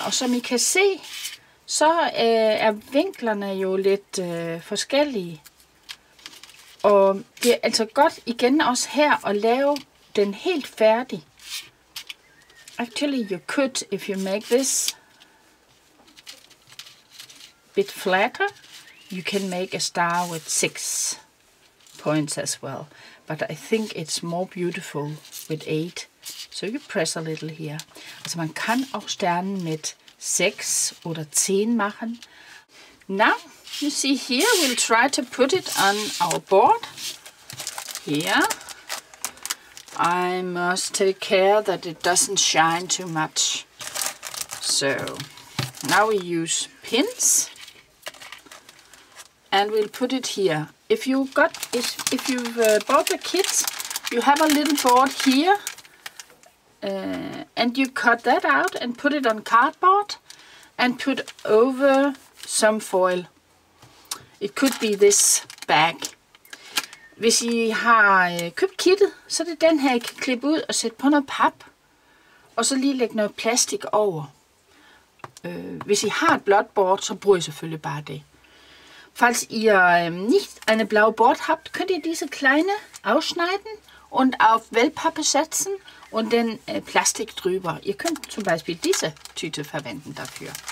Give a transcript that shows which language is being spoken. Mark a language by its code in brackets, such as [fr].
[de] Und [da] som I kan se, så er vinklerne jo lidt forskellige. Og det er altså godt igen også her at lave den helt færdig. [en] Actually, you could, if you make this bit flatter, you can make a star with 6 points as well. But I think it's more beautiful with 8. So you press a little here. [da] Altså man kan også stjernen med 6 eller 10 [de] machen. [en] Now, You see here, we'll try to put it on our board. Here. I must take care that it doesn't shine too much. So, now we use pins. And we'll put it here. If you got, if you've bought the kit, you have a little board here. And you cut that out and put it on cardboard and put over some foil. It could be this bag. [da] Hvis I har købt kittet, så er det den her, I kan klippe ud og sætte på noget pap. Og så lige lægge noget plastik over. Hvis I har et blåt board, så bruger I selvfølgelig bare det. [de] Falls ihr nicht ein blaues Board habt, könnt ihr diese kleine ausschneiden und auf Wellpappe setzen und den Plastik drüber. Ihr könnt zum Beispiel diese Tüte verwenden dafür.